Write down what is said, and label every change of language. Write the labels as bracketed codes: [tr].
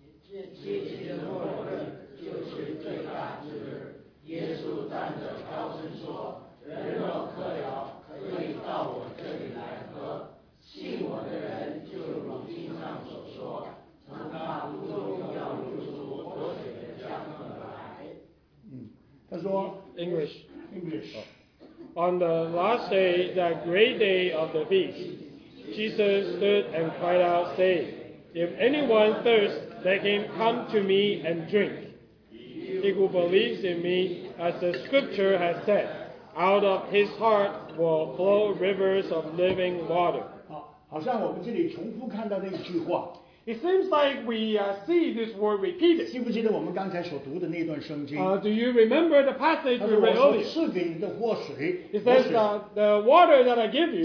[zh] 借钱的末日就是最大之日。耶稣站着高声说：“人若渴了，可以到我这里来喝。信我的人，就如经上所说，从他骨中要流出活水的江河。” 他说 [en] English. On the last day, that great day of the feast, Jesus stood and cried out, saying, If anyone thirsts, let him come to me and drink. He who believes in me, as the scripture has said, out of his heart will flow rivers of living water. [zh] 好像我们这里重复看到那句话。 [en] It seems like we see this word repeated. [zh] 记不记得我们刚才所读的那段圣经？ [en] Do you remember the passage we read earlier? [zh] 赐给你的活水。 [en] It says the water that I give you